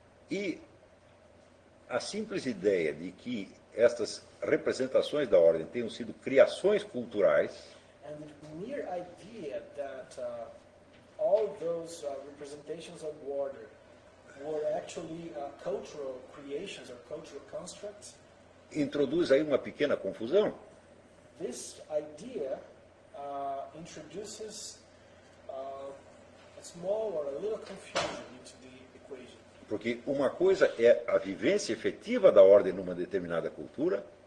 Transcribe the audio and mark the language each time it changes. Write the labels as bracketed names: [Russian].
[Portuguese] E a simples ideia de que estas representações da ordem tenham sido criações culturais. [English] And the mere idea that all those representations of order were actually cultural creations or cultural constructs. [Portuguese] Introduz aí uma pequena confusão. [English] This idea introduces a small or a little confusion into the equation. [Portuguese] Porque uma coisa é a vivência efetiva da ordem numa determinada cultura.